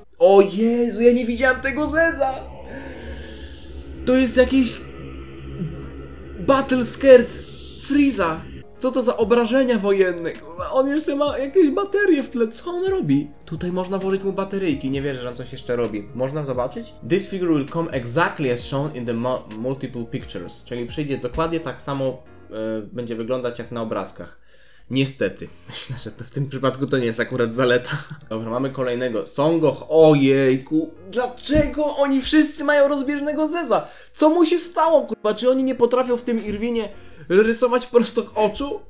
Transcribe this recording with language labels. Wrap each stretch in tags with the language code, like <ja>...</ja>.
<pl>O Jezu, ja nie widziałem tego Zeza! To jest jakiś... Battle Scared Freeza! Co to za obrażenia wojenne? On jeszcze ma jakieś baterie w tle, co on robi? Tutaj można włożyć mu bateryjki, nie wierzę, że on coś jeszcze robi. Można zobaczyć?</pl> <en>This figure will come exactly as shown in the multiple pictures.</en> <pl>Czyli przyjdzie dokładnie tak samo... będzie wyglądać jak na obrazkach. Niestety. Myślę, że to w tym przypadku to nie jest akurat zaleta. Dobra, mamy kolejnego. Son Goku. Ojejku. Dlaczego oni wszyscy mają rozbieżnego Zeza? Co mu się stało, kurwa? Czy oni nie potrafią w tym Irwinie rysować prosto oczu?</pl>